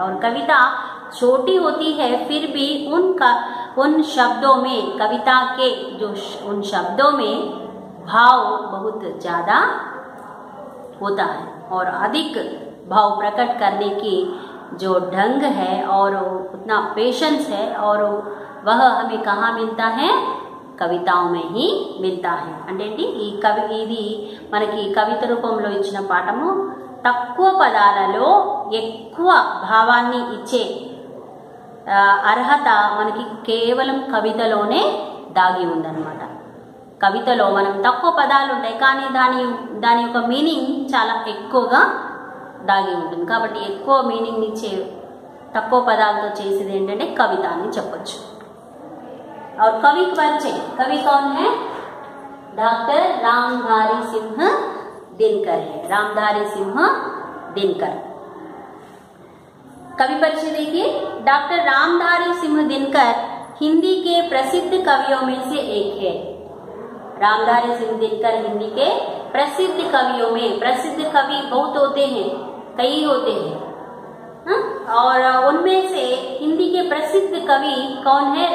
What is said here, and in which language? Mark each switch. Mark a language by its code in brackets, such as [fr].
[hi] और कविता छोटी होती है फिर भी उन शब्दों में, कविता के जो उन शब्दों में भाव बहुत ज्यादा होता है. और अधिक भाव प्रकट करने की जो ढंग है और उतना पेशेंस है और वह हमें कहाँ मिलता है, कविताओं में ही मिलता है. [te] అంటే కవి ఇది మనకి కవిత రూపంలో ఇచ్చిన పాఠము, తక్కువ పదాలలో ఎక్కువ భావాన్ని ఇచ్చే అర్హత మనకి కేవలం కవితలోనే దాగి ఉందన్నమాట. కవితలో మనం తక్కువ పదాలు ఉంటాయి కానీ దాని యొక్క మీనింగ్ చాలా ఎక్కువగా దాగి ఉంటుంది. కాబట్టి ఎక్కువ మీనింగ్ ఇచ్చే తక్కువ పదాలతో చేసేది ఏంటంటే కవిత అని చెప్పొచ్చు. [hi] और कवि कौन है, डॉक्टर रामधारी सिंह दिनकर है, रामधारी सिंह दिनकर। कवि परिचय देखिए, डॉक्टर रामधारी सिंह दिनकर हिंदी के प्रसिद्ध कवियों में से एक है। रामधारी सिंह दिनकर हिंदी के प्रसिद्ध कवियों में, प्रसिद्ध कवि बहुत होते हैं, कई होते हैं, और उनमें से हिंदी के प्रसिद्ध कवि कौन है?